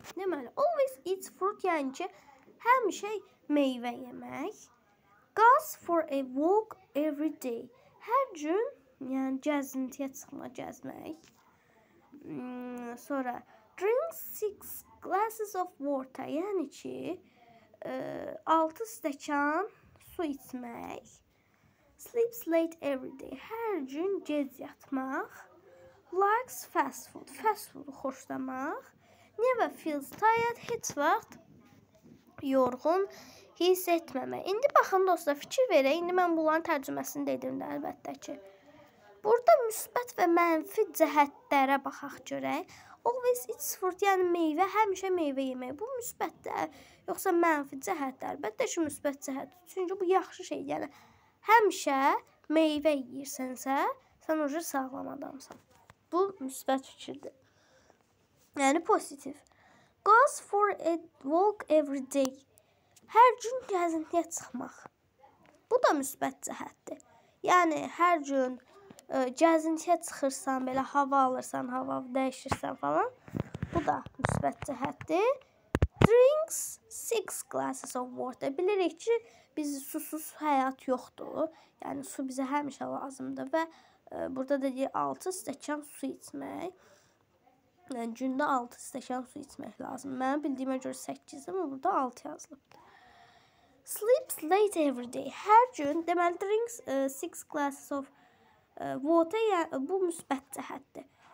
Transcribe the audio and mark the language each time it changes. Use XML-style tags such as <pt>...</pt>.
<az>Deməli,</az> <en>always eat fruit,</en> <az>yəni ki, həmişə meyvə yemək.</az> <en>Goes for a walk every day.</en> <az>Hər gün yəni gəzintiyə çıxma, gəzmək. Sonra</az> <en>drink 6 glasses of water.</en> <az>Yəni ki 6 stəkan su içmək.</az> <en>Sleeps late every day.</en> <az>Hər gün gec yatmaq.</az> <en>Likes fast food.</en> <az>Fast foodu xoşlamaq.</az> <en>Never feels tired.</en> <az>Heç vaxt yorğun hiss etməmək. İndi baxın dostlar, fikir verək. İndi mən bunların tərcüməsini dedim də əlbəttə ki. Burada müsbət və mənfi cəhətlərə baxaq görək.</az> <en>Always eat fruit,</en> <az>yəni meyvə, həmişə meyvə yemək. Bu müsbətdir, yoxsa mənfi cəhətlər. Əlbəttə ki, müsbət cəhətdir. Çünki bu yaxşı şeydir. Yəni, həmişə meyvə yeyirsənsə, sən ucu sağlam adamsan. Bu müsbət fikirdir. Yəni, pozitiv.</az> <en>Goes for a walk every day.</en> <az>Hər gün gəzintiyə çıxmaq. Bu da müsbət cəhətdir. Yəni, hər gün gəzintiyə çıxırsan, belə hava alırsan, hava dəyişirsən falan. Bu da müsbət cəhətdir.</az> <en>Drinks 6 glasses of water.</en> <az>Bilirik ki, biz susuz həyat yoxdur. Yəni, su bizə həmişə lazımdır. Və burada deyir, 6 stəkan su içmək. Yəni, gündə 6 stəkan su içmək lazım. Mənim bildiyimə görə 8-də, amma burada 6 yazılıbdır.</az> <en>Sleeps late every day.</en> <az>Hər gün, deməli,</az> <en>drinks 6 glasses of water,</en> <az>bu müsbət cəhətdir.</az>